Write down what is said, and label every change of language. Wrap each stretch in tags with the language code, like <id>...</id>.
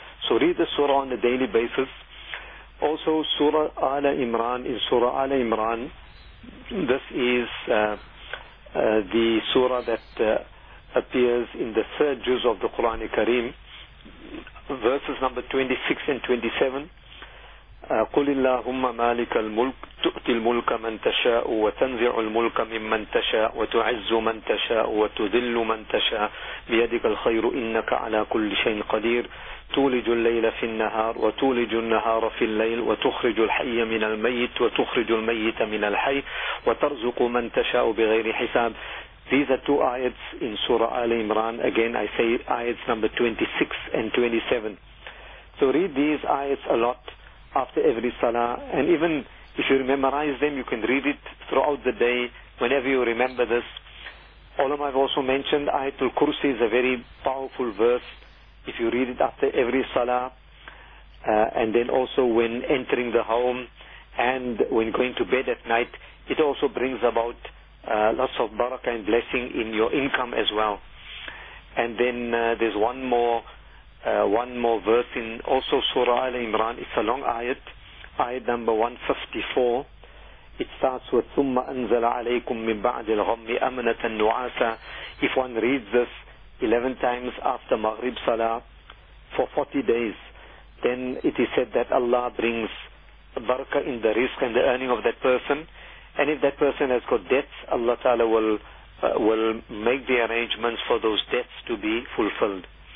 <en>So read the surah on a daily basis. Also, Surah Ala Imran. In Surah Ala Imran, this is the surah that appears in the third juz of the Quran Kareem, verses number 26 and 27.</en> <ar>قل اللهم مالك الملك تؤتي الملك من تشاء وتنزع الملك ممن تشاء وتعز من تشاء وتذل من تشاء بيدك الخير إنك على كل شيء قدير تولج الليل في النهار وتولج النهار في الليل وتخرج الحي من الميت وتخرج الميت من الحي وترزق من تشاء بغير حساب.</ar> <en>These are two ayats in Surah Ali Imran. Again, I say ayats number 26 and 27. So read these ayats a lot after every salah. And even if you memorize them, you can read it throughout the day whenever you remember this. Ulama have also mentioned Ayatul Kursi is a very powerful verse. If you read it after every salah, and then also when entering the home and when going to bed at night, it also brings about lots of barakah and blessing in your income as well. And then there's one more verse in also Surah Al-Imran. It's a long ayat, ayat number 154. It starts with</en> <ar>ثُمَّ أَنْزَلَ عَلَيْكُمْ مِنْ بَعْدِ الْغَمِّ أَمَنَةً نُعَاسًا.</ar> <en>If one reads this 11 times after Maghrib Salah for 40 days, then it is said that Allah brings barakah in the rizq and the earning of that person. And if that person has got debts, Allah Ta'ala will make the arrangements for those debts to be fulfilled.</en>